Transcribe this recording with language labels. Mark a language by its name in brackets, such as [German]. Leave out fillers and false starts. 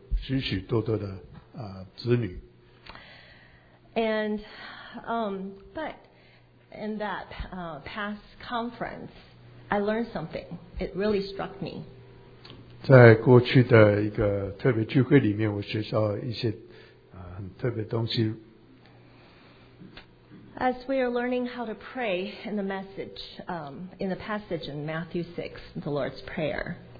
[Chinese] 我们知道我们的天父他有许许多多的子女。 [English] And but in that past conference, I learned something. It really struck me. [Chinese] 在过去的一个特别聚会里面，我学到一些很特别东西。 [English] As we are learning how to pray in the message, in the passage in Matthew 6, the Lord's Prayer.